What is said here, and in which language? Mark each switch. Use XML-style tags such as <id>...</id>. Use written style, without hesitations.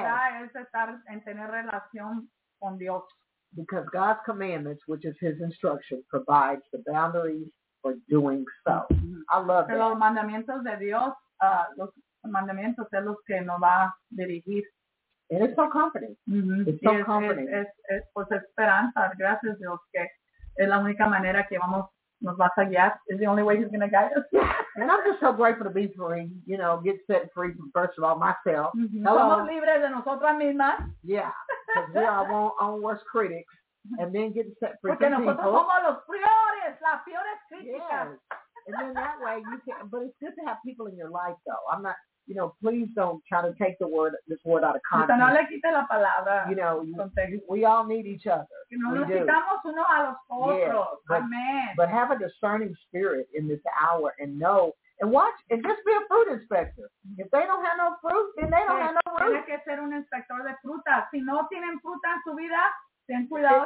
<es>verdad es estar en tener relación con Dios.</es> <en>Because God's commandments, which is his instruction, provides the boundaries for doing so. Mm-hmm. I love that.</en> <es>Pero los mandamientos de Dios, los mandamientos son los que nos va a dirigir.</es> <en>And it's so comforting. Mm-hmm. It's so comforting.</en> <es>Pues esperanza, gracias Dios, que es la única manera que vamos, nos vas a guiar.</es> <en>It's the only way he's going to guide us. And I'm just so grateful to be free, you know, get set free from, first of all, myself. Mm-hmm. Hello.</en> <es>Somos libres de nosotras mismas.</es> <en>Yeah. Because we are our own worst critics. and then getting set for</en> <es>Porque nosotros</es> <en>people.</en> <es>Somos los peores, las peores críticas.</es> <en>Yes. And then that way you can, but it's good to have people in your life though. I'm not, you know, please don't try to take the word, this word out of context.</en> <es>No le quite la palabra.</es> <en>You know, we all need each other.</en> <es>Que nos necesitamos unos a los otros.</es> <en>Yes. But, amen. But have a discerning spirit in this hour and know. And watch, and just be a fruit inspector. If they don't have no fruit, then they don't have no fruit.</en> <es>Tiene que ser un inspector de fruta. Si no tienen fruta en su vida, ten cuidado.</es>